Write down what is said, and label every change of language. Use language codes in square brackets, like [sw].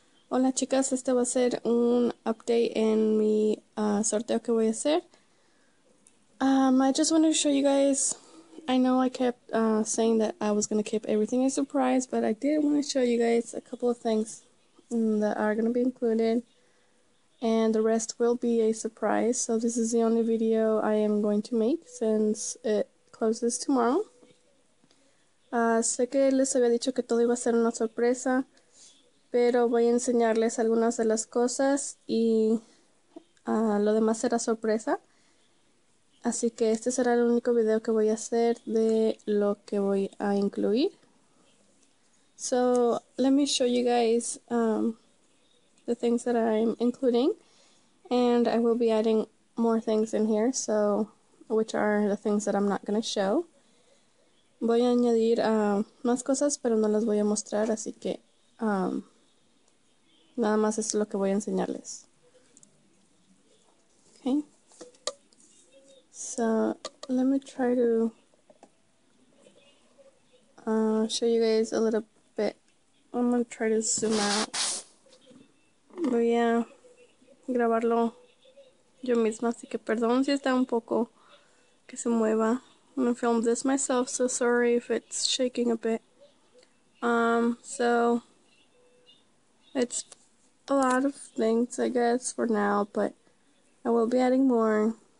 [es] Hola chicas, este va a ser un update en mi sorteo que voy a hacer. [en] I just wanted to show you guys, I know I kept saying that I was going to keep everything a surprise, but I did want to show you guys a couple of things that are going to be included, and the rest will be a surprise. So this is the only video I am going to make since it closes tomorrow. [es] Sé que les había dicho que todo iba a ser una sorpresa, pero voy a enseñarles algunas de las cosas y lo demás será sorpresa. Así que este será el único video que voy a hacer de lo que voy a incluir. [en] So, let me show you guys the things that I'm including. And I will be adding more things in here, so which are the things that I'm not going to show. [es] Voy a añadir más cosas, pero no las voy a mostrar, así que nada más es lo que voy a enseñarles. [en] Okay. So, let me try to show you guys a little bit. I'm going to try to zoom out. [es] Voy a grabarlo yo misma, así que perdón si está un poco que se mueva. [en] I'm going to film this myself, so sorry if it's shaking a bit. So, it's a lot of things, I guess, for now, but I will be adding more.